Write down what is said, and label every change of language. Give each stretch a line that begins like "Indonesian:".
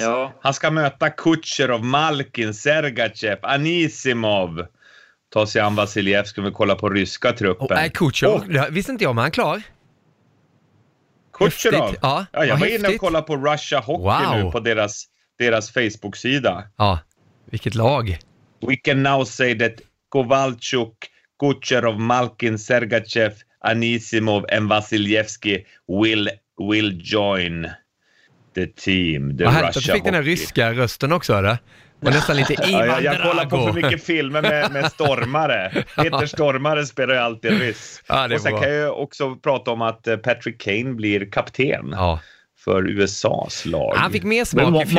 Swedish: Ja. Han ska möta Kucherov, Malkin, Sergachev, Anisimov. Ta sig an Vasiljev, ska vi kolla på ryska truppen. Visste inte jag om han är klar. Kucherov? Jag var inne och kollade på Russia Hockey nu på deras Facebook-sida. Ja, vilket lag.
English: We can now say that Kovalchuk, Kucherov, Malkin, Sergachev, Anisimov and Vasiljevski will join the team. The Russia Hockey.
Swedish: Du fick den här ryska rösten också, eller? Och nästan lite Ivan Drago. Jag kollar på för mycket filmer med stormare. Peter Stormare spelar ju alltid ryss. Ja, och sen kan jag ju också prata om att Patrick Kane blir kapten för USAs lag. Han fick med smak i fjol.